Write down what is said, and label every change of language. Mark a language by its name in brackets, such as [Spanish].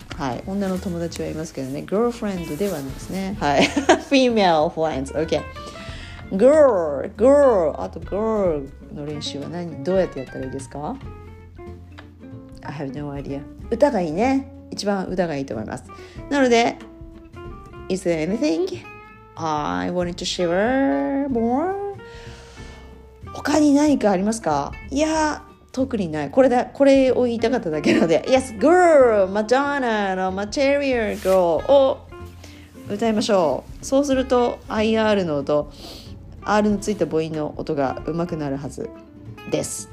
[Japanese] はい、女の友達はいますけどね、 girlfriend ではないですね、はい、 female friends、 OK、 girl、 あと girl の練習は何、どうやってやったらいいですか。 I have no idea。歌がいいね、一番歌がいいと思います。 [English] なので Is there anything I wanted to share more? [Japanese] 他に何かありますか。いや特にない。これだ、これを言いたかっただけなので。 Yes, girl! Madonna の Material Girl を歌いましょう。そうすると IR の音、R のついた母音の音が上手くなるはずです。